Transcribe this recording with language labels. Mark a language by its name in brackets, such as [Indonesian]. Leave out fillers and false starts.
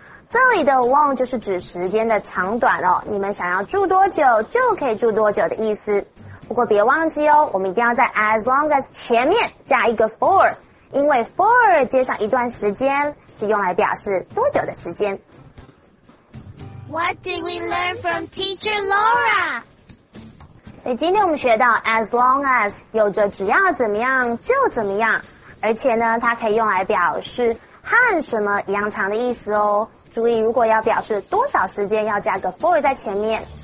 [Chinese] 这里的 long 就是指时间的长短哦你们想要住多久就可以住多久的意思不过别忘记哦我们一定要在 as long as 前面加一个 for 因为 for 接上一段时间是用来表示多久的时间 [English] What did we learn from teacher Laura? [Chinese] 所以今天我们学到 as long as 有着只要怎么样就怎么样而且呢它可以用来表示和什么一样长的意思哦注意如果要表示多少时间要加个 for 在前面